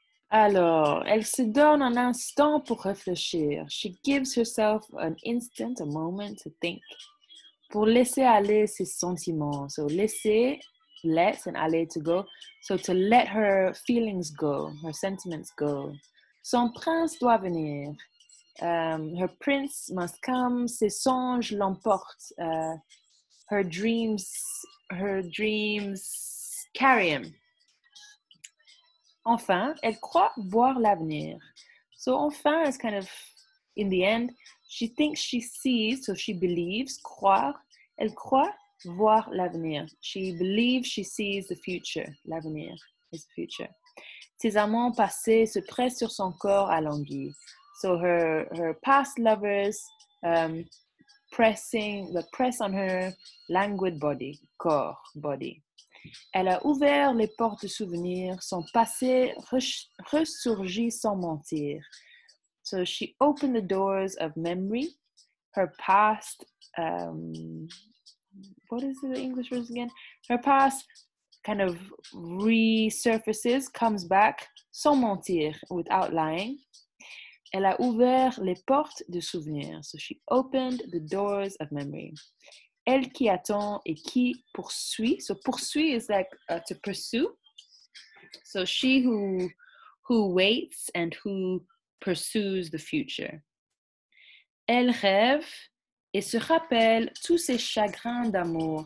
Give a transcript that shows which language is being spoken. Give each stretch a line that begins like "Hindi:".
French: Alors, elle se donne un instant pour réfléchir.
English: She gives herself an instant, a moment to think.
French: Pour laisser aller ses sentiments. So, laisser, let, and aller,
English: to go. So, to let her feelings go, her sentiments go.
French: Son prince doit venir.
English: Her prince must come.
French: Ses songes l'emportent.
English: Her dreams carry him.
French: Enfin, elle croit voir l'avenir.
English: So, enfin is kind of in the end. She thinks she sees, so she believes, croire.
French: Elle croit voir l'avenir.
English: She believes she sees the future. L'avenir is the future.
French: Ses amants passés se pressent sur son corps à l'angui.
English: So, her past lovers press on her languid body,
French: corps, body. Elle a ouvert les portes de souvenirs, son passé ressurgit sans mentir.
English: So she opened the doors of memory, her past, what is the English word again? Her past kind of resurfaces, comes back,
French: sans mentir,
English: without lying.
French: Elle a ouvert les portes de souvenirs,
English: so she opened the doors of memory.
French: Elle qui attend et qui poursuit.
English: So, poursuit is like to pursue. So, she who waits and who pursues the future.
French: Elle rêve et se rappelle tous ses chagrins d'amour.